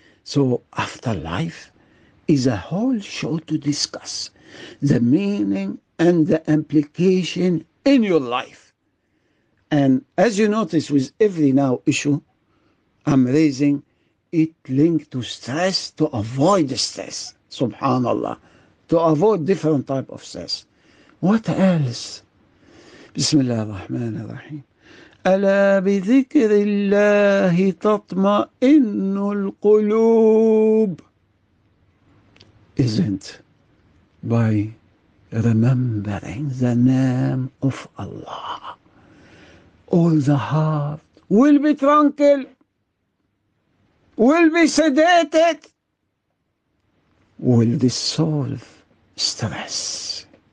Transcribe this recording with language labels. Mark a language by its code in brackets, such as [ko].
[en] So afterlife is a whole show to discuss the meaning and the implication in your life. And as you notice with every now issue I'm raising, it linked to stress, to avoid stress, subhanallah, to avoid different type of stress. What else? [ar] بسم الله الرحمن الرحيم ألا بذكر الله تطمئن القلوب. [en] Isn't by remembering the name of Allah all the heart will be tranquil, will be sedated, will dissolve stress.